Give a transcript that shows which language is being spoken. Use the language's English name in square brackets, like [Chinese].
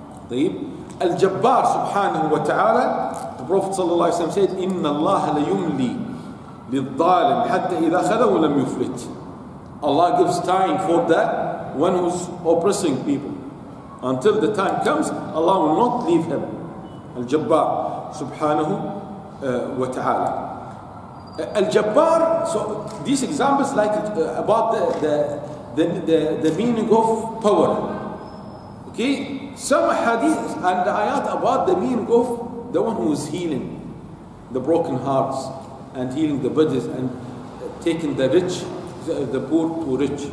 [Arabic] طيب الجبار سبحانه وتعالى [English] the Prophet [Arabic] صلى الله عليه وسلم said إن الله ليملي للظالم حتى إذا خذه ولم يفلت. [English] Allah gives time for that one who's oppressing people until the time comes. Allah will not leave him. [Arabic] الجبار سبحانه وتعالى الجبار. [English] So these examples like about the meaning of power. Okay, some hadith and ayat about the meaning of the one who is healing the broken hearts and healing the bodies and taking the rich, the poor to rich.